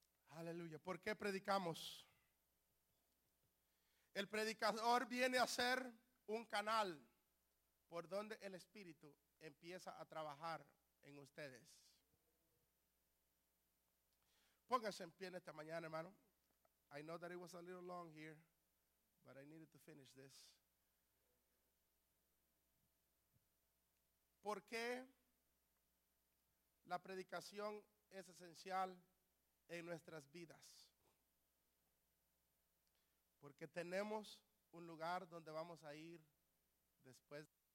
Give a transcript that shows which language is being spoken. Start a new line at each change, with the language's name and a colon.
Spanish: Aleluya. ¿Por qué predicamos? El predicador viene a ser un canal por donde el Espíritu empieza a trabajar en ustedes. Pónganse en pie en esta mañana, hermano.
English: I know that it was a little long here, but I needed to finish this.
Spanish: ¿Por qué la predicación es esencial en nuestras vidas? Porque tenemos un lugar donde vamos a ir después.